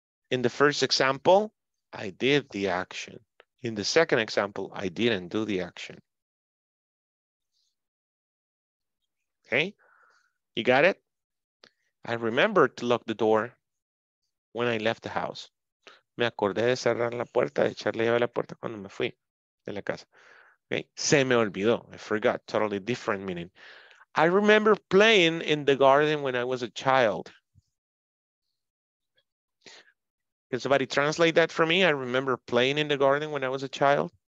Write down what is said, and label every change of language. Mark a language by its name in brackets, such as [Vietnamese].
[English] In the first example, I did the action. In the second example, I didn't do the action. Okay, you got it? I remembered to lock the door when I left the house. [Spanish] Me acordé de cerrar la puerta, de echarle llave a la puerta cuando me fui de la casa. [English] Okay, [Spanish] se me olvidó, [English] I forgot, totally different meaning. I remember playing in the garden when I was a child. Can somebody translate that for me? I remember playing in the garden when I was a child.